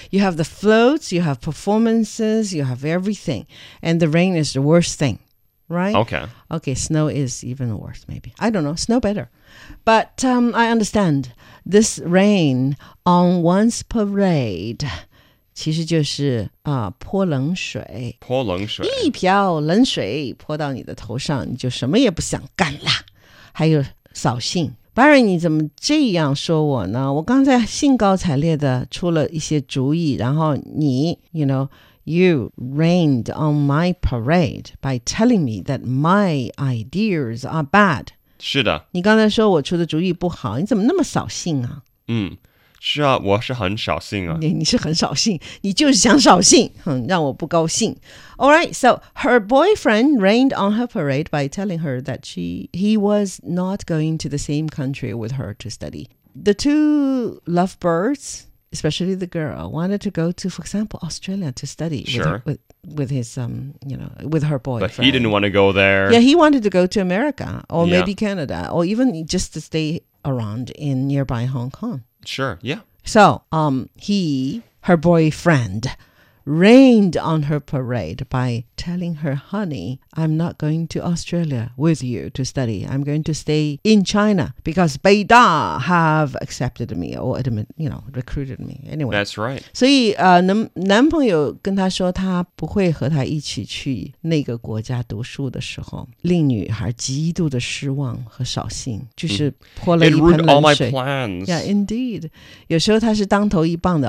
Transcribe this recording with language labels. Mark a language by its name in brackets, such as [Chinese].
[English] You have the floats, you have performances, you have everything. And the rain is the worst thing, right? Okay. Okay, snow is even worse, maybe. I don't know. Snow better. But I understand this rain on one's parade. [Chinese] 其实就是泼冷水，泼冷水，一瓢冷水泼到你的头上，你就什么也不想干了。还有扫兴 ，Barry， 你怎么这样说我呢？我刚才兴高采烈的出了一些主意，然后你 ， [English] you know， you rained on my parade by telling me that my ideas are bad。 [Chinese] 是的，你刚才说我出的主意不好，你怎么那么扫兴啊？嗯。是啊，我是很扫兴啊。你是很扫兴，你就是想扫兴，哼，让我不高兴。 [English] All right, so her boyfriend rained on her parade by telling her that he was not going to the same country with her to study. The two lovebirds, especially the girl, wanted to go to, for example, Australia to study. Sure. With his, you know, with her boyfriend. But he didn't want to go there. Yeah, he wanted to go to America or maybe Canada or even just to stay around in nearby Hong Kong. Sure, yeah. So, her boyfriend, rained on her parade by telling her, honey, I'm not going to Australia with you to study. I'm going to stay in China because Beida have accepted me or recruited me. Anyway. That's right. [Chinese] 所以男朋友跟她说她不会和她一起去那个国家读书的时候，令女孩极度的失望和扫兴，就是泼了一盆冷水。 [English] It ruined all my plans. Yeah, indeed. [Chinese] 有时候她是当头一棒的。